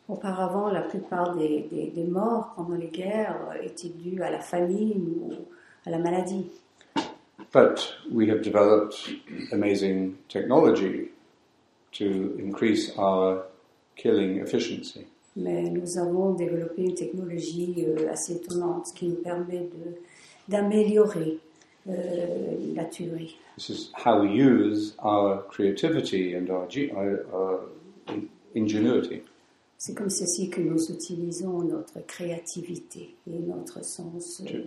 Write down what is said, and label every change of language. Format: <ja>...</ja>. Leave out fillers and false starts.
<fr>Auparavant, la plupart des morts pendant les guerres étaient dues à la famine ou à la maladie.</fr> <en>But we have developed amazing technology to increase our killing efficiency.</en> <fr>Mais nous avons développé une technologie assez étonnante qui nous permet d'améliorer la tuerie.</fr> <en>This is how we use our creativity and our ingenuity.</en> <fr>C'est comme ceci que nous utilisons notre créativité et notre sens</fr>